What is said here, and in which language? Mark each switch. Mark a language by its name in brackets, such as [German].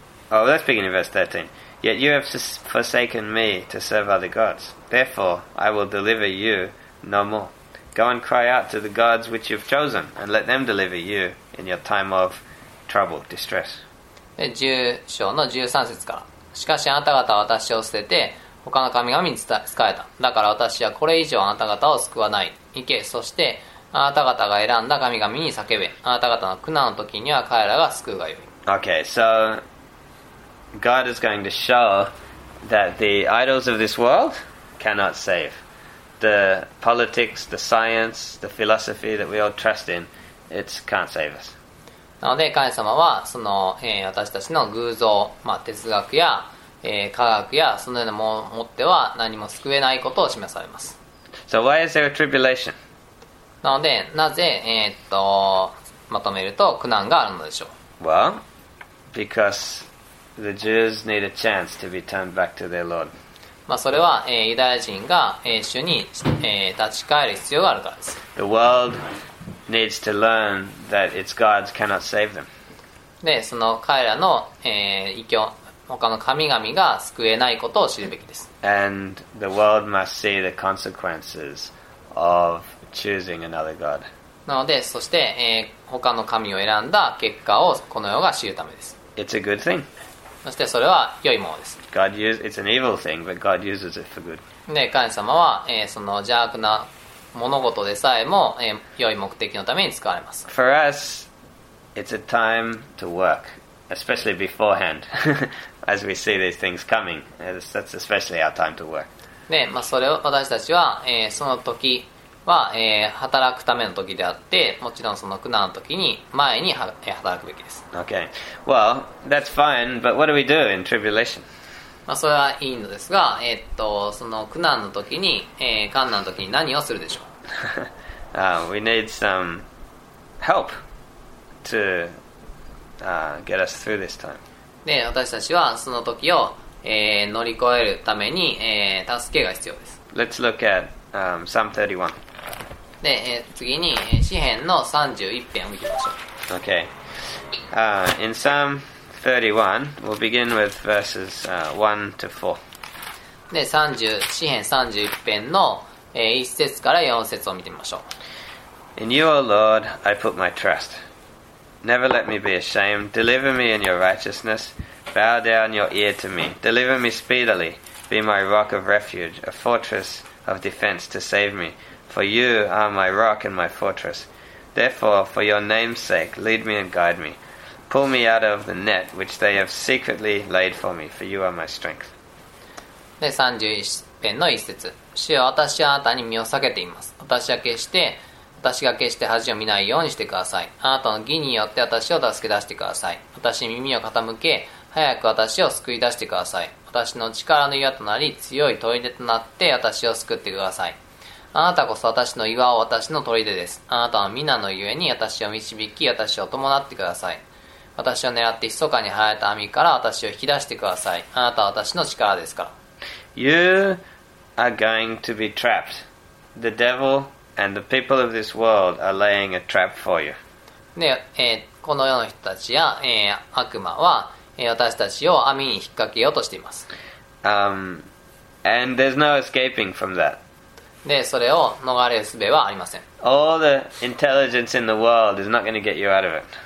[English] Let's begin in verse 13. Yet you have forsaken me to serve other gods. Therefore, I will deliver you no more. Go and cry out to the gods which you've chosen, and let them deliver you in your time of trouble, distress. [Japanese] 10章の13節から。しかしあなた方は私を捨てて、他の神々に仕えた。だから私はこれ以上あなた方を救わない。行け、そしてあなた方が選んだ神々に叫べ。あなた方の苦難の時には彼らが救うがよい。 [English] Okay, so God is going to show that the idols of this world cannot save. The politics, the science, the philosophy that we all trust in, it can't save us. [Japanese] なので神様はその、私たちの偶像、まあ、哲学や、科学やそのようなものを持っては何も救えないことを示されます。 [English] So why is there a tribulation? [Japanese] なのでなぜ、まとめると苦難があるのでしょう。 [English] Well,Because the Jews need a chance to be turned back to their Lord. [Japanese] まあそれは、ユダヤ人が、主に、立ち返る必要があるからです。 [English] The world needs to learn that its gods cannot save them. [Japanese] で、その彼らの、異教、他の神々が救えないことを知るべきです。 [English] And the world must see the consequences of choosing another God. [Japanese] なので、そして、他の神を選んだ結果をこの世が知るためです。 [English] It's a good thing. [Japanese] そしてそれは良いものです。 [English] God uses it's an evil thing, but God uses it for good. [Japanese] で、神様は、その邪悪な物事でさえも、良い目的のために使われます。 [English] For us, it's a time to work. especially beforehand, as we see these things coming. That's especially our time to work. [Japanese] で、まあ、それを私たちは、その時は、働くための時であって、もちろんその苦難の時に前に働くべきです。 [English] Okay. Well, that's fine, but what do we do in tribulation? [Japanese] まあ、それはいいのですが、その苦難の時に、患難の時に何をするでしょう [English] we need some help to, get us through this time. [Japanese] で私たちはその時を、乗り越えるために、助けが必要です。 [English] Let's look at, Psalm 31. [Japanese] で、次に、詩篇の31篇を見てみましょう。 [English] Okay. In Psalm 31, we'll begin with verses 1 to 4. [Japanese] で、詩篇31篇の1節から4節を見てみましょう。 [English] In you, O Lord, I put my trust. Never let me be ashamed. Deliver me in your righteousness. Bow down your ear to me. Deliver me speedily. Be my rock of refuge, a fortress of defense to save me. For you are my rock and my fortress. Therefore, for your name's sake, lead me and guide me. Pull me out of the net which they have secretly laid for me, for you are my strength. [Japanese] で、31篇の1節。主よ、私はあなたに身を避けています。私が決して恥を見ないようにしてください。あなたの義によって私を助け出してください。私に耳を傾け、早く私を救い出してください。私の力の岩となり、強い砦となって私を救ってください。あなたこそ私の岩を私の砦です。あなたの皆のゆえに私を導き、私を伴ってください。私を狙って密かに張られた網から私を引き出してください。あなたは私の力ですから。 [English] You are going to be trapped. The devil and the people of this world are laying a trap for you. [Japanese] で、この世の人たちや、悪魔は、私たちを網に引っ掛けようとしています。 [English] And there's no escaping from that. [Japanese] で、それを逃れる術はありません。 [English] All the intelligence in the world is not going to get you out of it.